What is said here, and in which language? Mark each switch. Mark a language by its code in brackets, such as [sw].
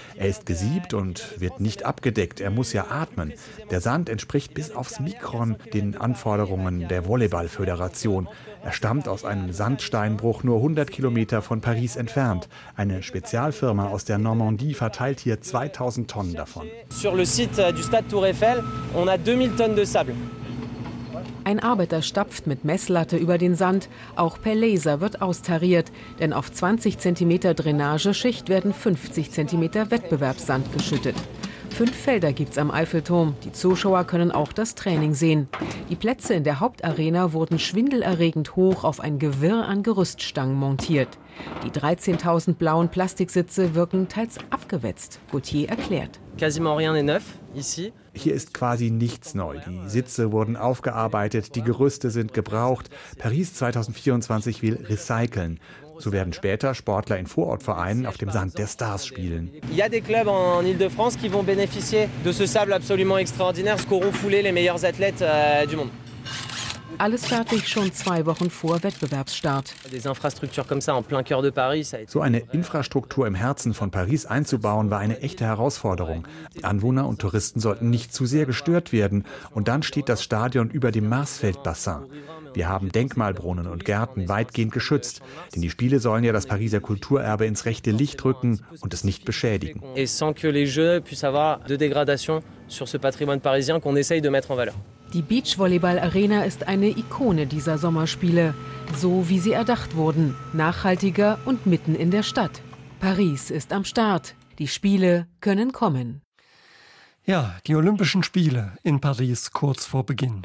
[de] Er ist gesiebt und wird nicht abgedeckt. Er muss ja atmen. Der Sand entspricht bis aufs Mikron den Anforderungen der Volleyballföderation. Er stammt aus einem Sandsteinbruch nur 100 Kilometer von Paris entfernt. Eine Spezialfirma aus der Normandie verteilt hier 2000 Tonnen davon. [fr] Sur le site du Stade Tour Eiffel, on a 2000 [de] Tonnen [fr] de sable. [de] Ein Arbeiter stapft mit Messlatte über den Sand. Auch per Laser wird austariert. Denn auf 20 cm Drainageschicht werden 50 cm Wettbewerbssand geschüttet. 5 Felder gibt's am Eiffelturm. Die Zuschauer können auch das Training sehen. Die Plätze in der Hauptarena wurden schwindelerregend hoch auf ein Gewirr an Gerüststangen montiert. Die 13.000 blauen Plastiksitze wirken teils abgewetzt, Gauthier erklärt. [fr] Quasiment rien n'est neuf ici. [de] Hier ist quasi nichts neu. Die Sitze wurden aufgearbeitet, die Gerüste sind gebraucht. Paris 2024 will recyceln. So werden später Sportler in Vorortvereinen auf dem Sand der Stars spielen. [fr] Il y a des clubs en Île-de-France qui vont bénéficier de ce sable absolument extraordinaire, ce qu'auront foulé les meilleurs athlètes du monde. [de] Alles fertig schon 2 Wochen vor Wettbewerbsstart. So eine Infrastruktur im Herzen von Paris einzubauen, war eine echte Herausforderung. Die Anwohner und Touristen sollten nicht zu sehr gestört werden. Und dann steht das Stadion über dem Marsfeld-Bassin. Wir haben Denkmalbrunnen und Gärten weitgehend geschützt. Denn die Spiele sollen ja das Pariser Kulturerbe ins rechte Licht rücken und es nicht beschädigen. [fr] Sans que les jeux puissent avoir de dégradation sur ce patrimoine parisien qu'on essaye de mettre en valeur. [de] Die Beachvolleyball-Arena ist eine Ikone dieser Sommerspiele. So wie sie erdacht wurden. Nachhaltiger und mitten in der Stadt. Paris ist am Start. Die Spiele können kommen. Ja, die Olympischen Spiele in Paris kurz vor Beginn.